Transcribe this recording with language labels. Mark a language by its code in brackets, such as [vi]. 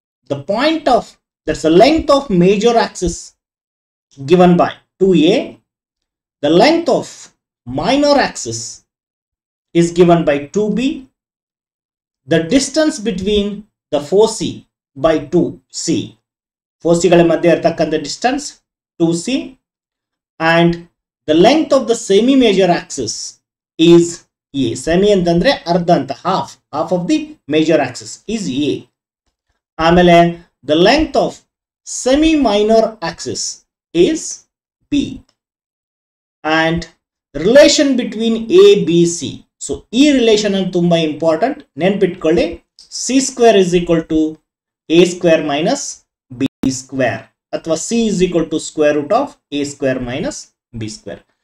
[en] the point of that's a length of major axis given by 2a, the length of minor axis is given by 2b, the distance between the foci by 2c, [kn] ಫೋಸಿಗಳ ಮಧ್ಯೆ ಇರತಕ್ಕಂಥ distance 2c, [en] And the length of the semi major axis is a. semi [kn] antandre ardha anta [en] half of the major axis is a, ಆಮೇಲೆ the length of semi minor axis is b and relation between a b c. [kn] So ಈ relation ಅನ್ನು ತುಂಬ important, ನೆನ್ಪಿಟ್ಕೊಳ್ಳಿ. [en] C square is equal to a square minus b square, ಅಥವಾ c is equal to square root of a square minus b square.